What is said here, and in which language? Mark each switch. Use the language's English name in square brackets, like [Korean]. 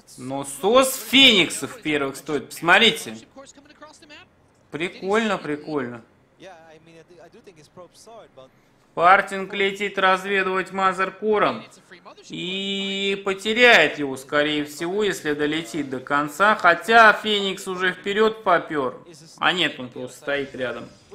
[Russian] Но СОС Фениксов первых стоит. Посмотрите. Прикольно, прикольно. [English] Yeah, I mean, I do think his probe saw it, but. [Russian] Партинг летит разведывать Мазеркором и потеряет его, скорее всего, если долетит до конца. Хотя Феникс уже вперед попер. А нет, он просто стоит рядом.